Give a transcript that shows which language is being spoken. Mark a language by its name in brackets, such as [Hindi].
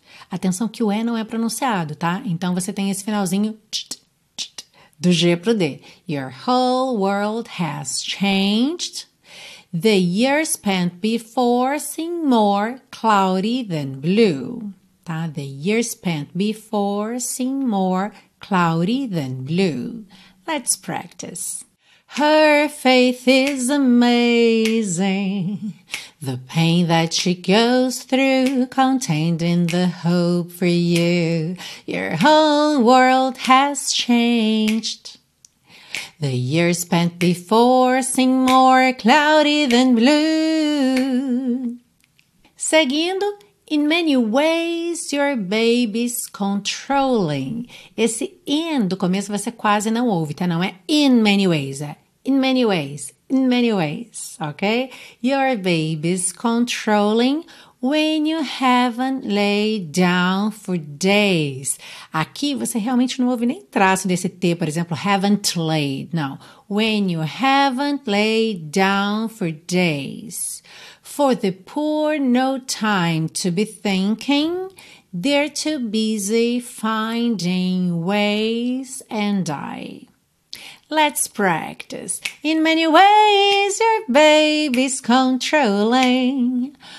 [Portuguese] Atenção que o E não é pronunciado, tá? Então, você tem esse finalzinho do G pro D. [English] Your whole world has changed. The year spent before seemed more cloudy than blue. Tá? The year spent before seemed more cloudy than blue. Let's practice. Her faith is amazing. The pain that she goes through contained in the hope for you. Your whole world has changed. The year spent before seemed more cloudy than blue. [Portuguese] Seguindo, [English] in many ways your baby's controlling. [Portuguese] Esse in do começo você quase não ouve, tá? Não é [English] in many ways, [Portuguese] é in many ways, ok? [English] Your baby's controlling when you haven't laid down for days. [Portuguese] Aqui você realmente não ouve nem traço desse T, por exemplo, [English] haven't laid, [Portuguese] não. [English] When you haven't laid down for days. For the poor no time to be thinking, they're too busy finding ways and I. Let's practice. In many ways your baby's controlling.